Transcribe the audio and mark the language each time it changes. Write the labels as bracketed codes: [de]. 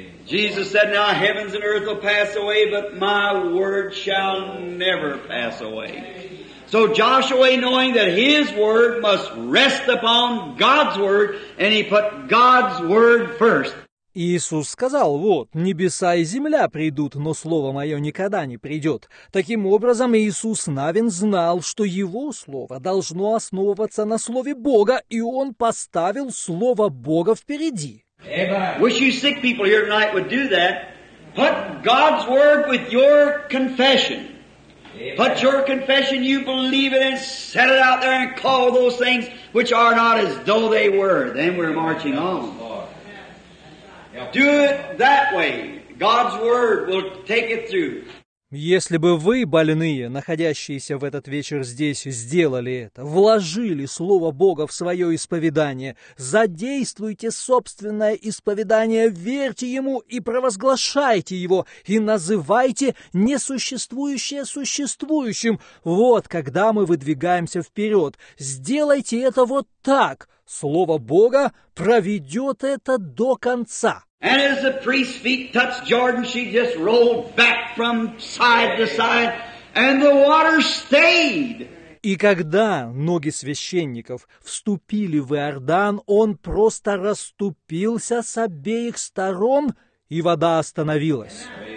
[en] Jesus said, now heavens and earth will pass away, but my word shall never pass away. So Joshua, knowing that his word must rest upon God's word, and he put God's word first. [ru] Иисус сказал, вот, небеса и земля придут, но слово мое никогда не придет. Таким образом, Иисус Навин знал, что его слово должно основываться на слове Бога, и он поставил слово Бога впереди. [en] Wish you sick people here tonight would do that. Put God's word with your confession. Put your confession, you believe it, and set it out there and call those things which are not as though they were. Then we're marching on. Do it that way. God's word will take it through. [ru] Если бы вы, больные, находящиеся в этот вечер здесь, сделали это, вложили Слово Бога в свое исповедание, задействуйте собственное исповедание, верьте Ему и провозглашайте Его, и называйте несуществующее существующим. Вот когда мы выдвигаемся вперед. Сделайте это вот так. Слово Бога проведет это до конца. [en] And as the priest's feet touched Jordan, she just rolled back from side to side, and the water stayed. [ru] И когда ноги священников вступили в Иордан, он просто расступился с обеих сторон, и вода остановилась.